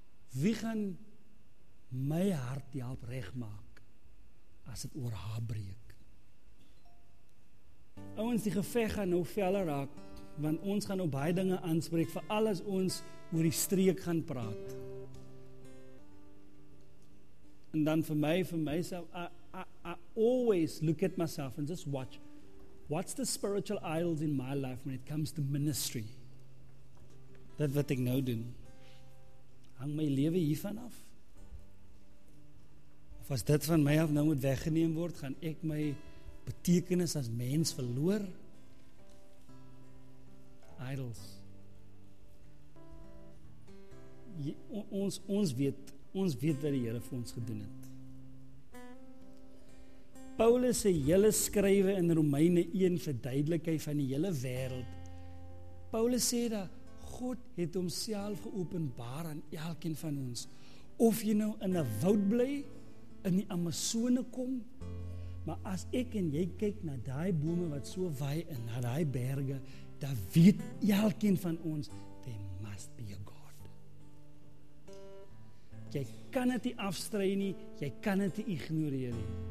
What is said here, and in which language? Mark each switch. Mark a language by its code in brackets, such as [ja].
[af] Wie gaan my hart help regmaak as dit oor haar breek? Ouens, die geveg gaan nou veller raak, want ons gaan op baie dinge aanspreek, veral as ons oor die streek gaan praat. En dan vir myself, [en] I always look at myself and just watch, what's the spiritual idols in my life when it comes to ministry? [af] Dat wat ek nou doen, hang my lewe hiervan af? Of as dit van my af nou moet weggeneem word, gaan ek my betekenis as mens verloor? Idols. Ons weet wat die Here vir ons gedoen het. Paulus se hele skrywe in Romeine 1 verduidelik hy van die hele wêreld. Paulus sê dat God het homself geopenbaar aan elkeen van ons. Of jy nou in 'n woud bly, in die Amazone kom, maar as ek en jy kyk na daai bome wat so wye en na daai berge, dan weet elkeen van ons, [en] there must be a God. [af] Jy kan dit nie afstry nie, jy kan dit nie ignoreer nie.